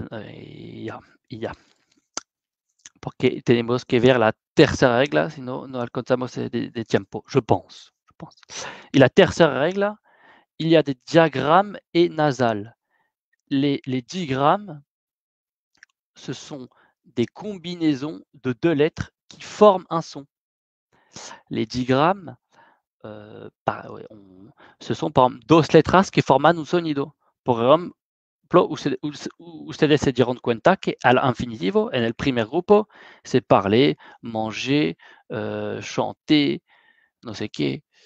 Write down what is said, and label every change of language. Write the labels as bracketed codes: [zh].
[es] Y ya. Porque tenemos que ver la tercera regla, si no, no alcanzamos de tiempo, [fr] je pense. [es] Y la tercera regla, [fr] il y a des diagrammes et nasales. Les digrammes, ce sont des combinaisons de deux lettres qui forment un son. Les digrammes, ce sont par exemple [es] dos letras que forman un sonido. Por ejemplo, ustedes se dieron cuenta que al infinitivo, en el primer grupo, [fr] c'est parler, manger, chanter, [es] no sé qué.